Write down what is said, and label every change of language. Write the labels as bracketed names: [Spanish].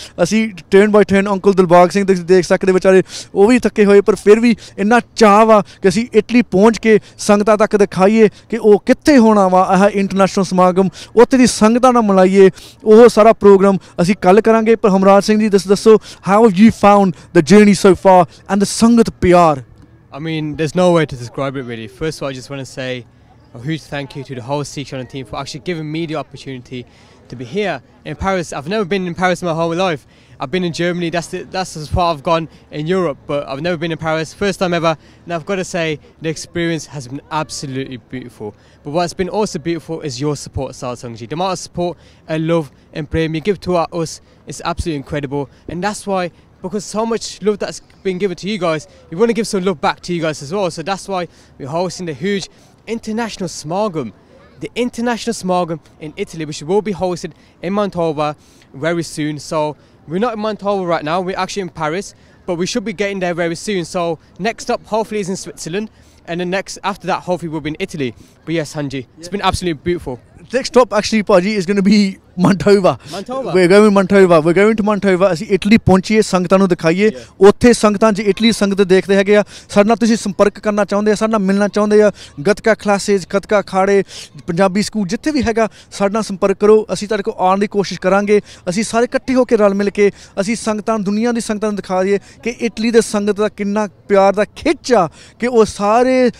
[Punjabi] ਅਸੀਂ train by train uncle Dilbag Singh ਤੁਸੀਂ ਦੇਖ ਸਕਦੇ ਵਿਚਾਰੇ ਉਹ ਵੀ ਥੱਕੇ ਹੋਏ ਪਰ ਫਿਰ ਵੀ ਇੰਨਾ ਚਾਹ ਵਾ ਕਿ ਅਸੀਂ ਇਟਲੀ ਪਹੁੰਚ ਕੇ ਸੰਗਤਾਂ ਤੱਕ ਦਿਖਾਈਏ ਕਿ ਉਹ ਕਿੱਥੇ ਹੋਣਾ ਵਾ ਇਹ ਇੰਟਰਨੈਸ਼ਨਲ ਸਮਾਗਮ ਉੱਥੇ ਦੀ ਸੰਗਤਾਂ ਨਾਲ ਮਿਲਾਈਏ ਉਹ ਸਾਰਾ ਪ੍ਰੋਗਰਾਮ ਅਸੀਂ ਕੱਲ੍ਹ ਕਰਾਂਗੇ ਪਰ ਹਮਰਾਜ ਸਿੰਘ ਜੀ ਦੱਸੋ [English] how you found the journey so far and the sangat [Punjabi] ਪਿਆਰ [English] I mean there's no way to describe it really first of all just want to say A huge thank you to the whole Sikh channel team for actually giving me the opportunity to be here in Paris. I've never been in Paris my whole life. I've been in Germany, that's as far I've gone in Europe, but I've never been in Paris, first time ever. And I've got to say, the experience has been absolutely beautiful. But what's been also beautiful is your support, Sal Sangji. The amount of support and love and blame you give to us is absolutely incredible. And that's why, because so much love that's been given to you guys, we want to give some love back to you guys as well. So that's why we're hosting the huge International Smagam, the International Smagam in Italy, which will be hosted in Mantova very soon. So we're not in Mantova right now, we're actually in Paris, but we should be getting there very soon. So next up hopefully is in Switzerland, and then next after that hopefully we'll be in Italy. But yes, Sanji, yeah. It's been absolutely beautiful. Next stop actually, Paji, is going to be Mantova. We're going to Mantova. [Punjabi] ਅਸੀਂ Italy ਪਹੁੰਚੀਏ ਸੰਗਤਾਂ ਨੂੰ ਦਿਖਾਈਏ ਉੱਥੇ ਸੰਗਤਾਂ 'ਚ Italy ਸੰਗਤ ਦੇਖਦੇ ਹੈਗੇ ਆ ਸਾਡੇ ਨਾਲ ਤੁਸੀਂ ਸੰਪਰਕ ਕਰਨਾ ਚਾਹੁੰਦੇ ਆ ਸਾਡੇ ਨਾਲ ਮਿਲਣਾ ਚਾਹੁੰਦੇ ਆ ਗੱਤਕਾ ਕਲਾਸਿਸ ਗੱਤਕਾ ਅਖਾੜੇ ਪੰਜਾਬੀ ਸਕੂਲ ਜਿੱਥੇ ਵੀ ਹੈਗਾ ਸਾਡੇ ਨਾਲ ਸੰਪਰਕ ਕਰੋ ਅਸੀਂ ਤੁਹਾਡੇ ਕੋਲ ਆਉਣ ਦੀ ਕੋਸ਼ਿਸ਼ ਕਰਾਂਗੇ ਅਸੀਂ ਸਾਰੇ ਇਕੱਠੇ ਹੋ ਕੇ ਰਲ ਮਿਲ ਕੇ ਅਸੀਂ ਸੰਗਤਾਂ ਦੁਨੀਆ ਦੀ ਸੰਗਤਾਂ ਨੂੰ ਦਿਖਾ ਦਈਏ ਕਿ ਇਟਲੀ ਦੇ ਸੰਗਤ ਦਾ ਕਿੰਨਾ ਪਿਆਰ ਦਾ ਖਿੱਚ ਆ ਕਿ ਉਹ ਸਾਰੇ